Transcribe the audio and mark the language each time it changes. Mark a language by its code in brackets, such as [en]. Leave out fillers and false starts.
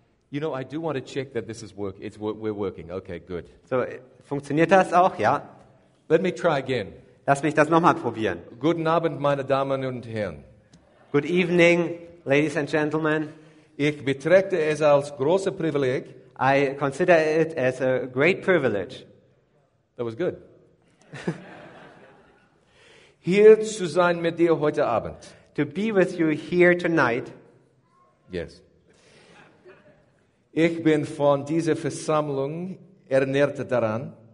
[en] You know, I do want to check that this is work. We're working. Okay, good. [de] So, funktioniert das auch? Ja. [en] Let me try again. [de] Lass mich das nochmal probieren. Guten Abend, meine Damen und Herren. [en] Good evening, ladies and gentlemen. [de] Ich betrachte es als großes Privileg. [en] I consider it as a great privilege. That was good. [de] Hier zu sein mit dir heute Abend. [en] To be with you here tonight. Yes. [de] Ich bin von dieser Versammlung ernährt daran.